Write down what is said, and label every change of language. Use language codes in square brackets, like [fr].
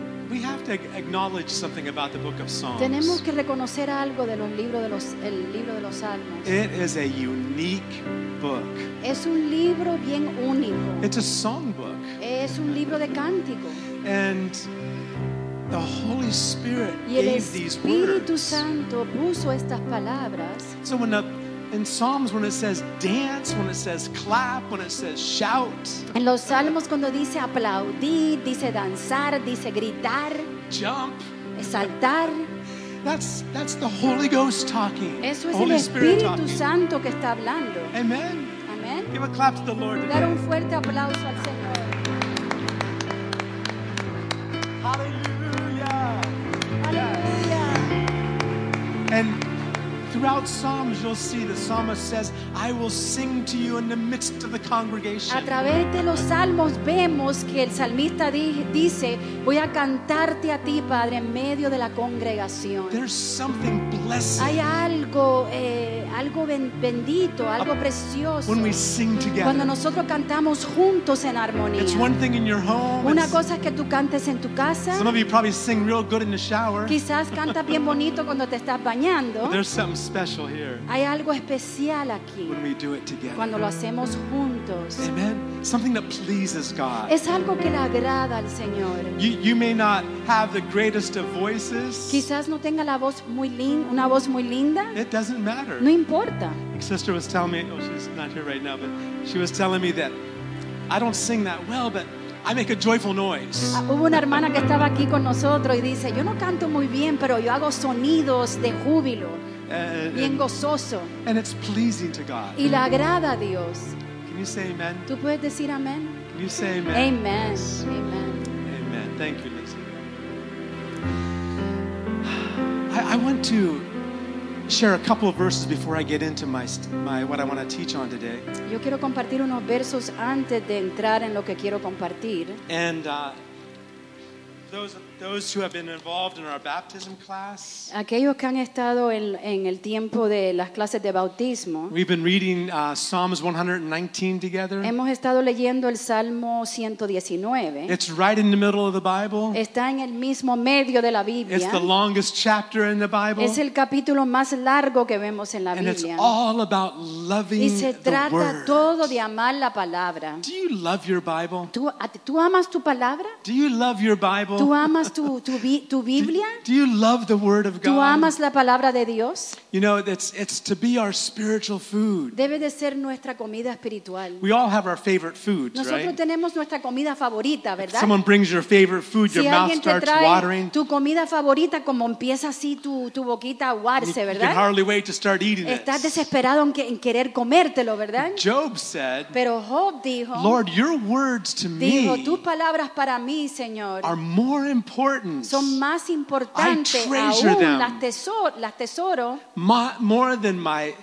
[en] we have to acknowledge something about the book of Psalms. [es] Tenemos que reconocer algo de los libros de los, el libro de los salmos. [en] It is a unique book. [es] Es un libro bien único. [en] It's a songbook. [es] Es un libro de cántico. [en] And the Holy Spirit [es] y el [en] gave these words. [es] Espíritu Santo puso estas palabras. [en] So when in Psalms, when it says dance, when it says clap, when it says shout. [es] En los salmos cuando dice aplaudir, dice danzar, dice gritar. [en] Jump. [es] Saltar. [en] That's the Holy Ghost talking. [es] Eso es [en] Holy [es] el Espíritu [en] talking. [es] Santo que está hablando. [en] Amen. Amen. Give a clap to the Lord. [es] Dar un fuerte aplauso al Señor. [en] Hallelujah. Hallelujah. And throughout Psalms, you'll see the psalmist says, "I will sing to you in the midst of the congregation." [es] A través de los salmos vemos que el salmista dice, "Voy a cantarte a ti, Padre, en medio de la congregación." [en] There's something blessed. [es] Hay algo, algo bendito, algo precioso. [en] When we sing together, [es] cuando nosotros cantamos juntos en armonía. [en] It's one thing in your home. [es] Una cosa es que tú cantes en tu casa. [en] Some of you probably sing real good in the shower. [es] Quizás cantas bien bonito cuando te estás bañando. [en] Special here. [es] Hay algo especial aquí. [en] When we do it together. [es] Cuando lo hacemos juntos. [en] Amen. Something that pleases God. [es] Es algo que le agrada al Señor. [en] You may not have the greatest of voices. [es] Quizás no tenga la voz muy una voz muy linda. [en] It doesn't matter. [es] No importa. [en] My sister was telling me, oh, she's not here right now, but she was telling me that I don't sing that well, but I make a joyful noise. [es] Hubo una hermana que estaba aquí con nosotros y dice, yo no canto muy bien, pero yo hago sonidos de júbilo. Bien gozoso. [en] And it's pleasing to God. [es] Y le agrada a Dios. [en] Can you say amen? [es] ¿Tú puedes decir amén? [en] Can you say amen? Amen. Yes. Amen. Amen. Thank you, Lizzie. I want to share a couple of verses before I get into my what I want to teach on today. [es] Yo quiero compartir unos versos antes de entrar en lo que quiero compartir. [en] And those who have been involved in our baptism class. [es] Aquellos que han estado en el tiempo de las clases de bautismo. [en] We've been reading Psalms 119 together. [es] Hemos estado leyendo el Salmo 119. [en] It's right in the middle of the Bible. [es] Está en el mismo medio de la Biblia. [en] It's the longest chapter in the Bible. [es] Es el capítulo más largo que vemos en la [en] and [es] Biblia. [en] And it's all about loving the Word. [es] Y se trata todo de amar la palabra. [en] Do you love your Bible? [es] ¿Tú amas tu palabra? [en] Do you love your Bible? tiempo. [es] ¿Tú amas tu Biblia? [en] Do you love the word of God? [es] ¿Tú amas la palabra de Dios? [en] You know, it's to be our spiritual food. [es] Debe de ser nuestra comida espiritual. [en] We all have our favorite foods, [es] nosotros [en] right? [es] Tenemos nuestra comida favorita, ¿verdad? [en] If someone brings your favorite food, [es] si [en] your mouth starts watering. [es] Tu comida favorita, como empieza así tu boquita a aguarse, ¿verdad? [en] You can hardly wait to start eating it. [es] Estás desesperado en querer comértelo, ¿verdad? [en] Job said, [es] pero Job dijo, [en] Lord, your words to me, [es] dijo, tus palabras para mí, Señor, [en] are more important. [es] Son más importantes. [en] I treasure [es] aún, [en] them. [es] Las tesoro, [en] more than my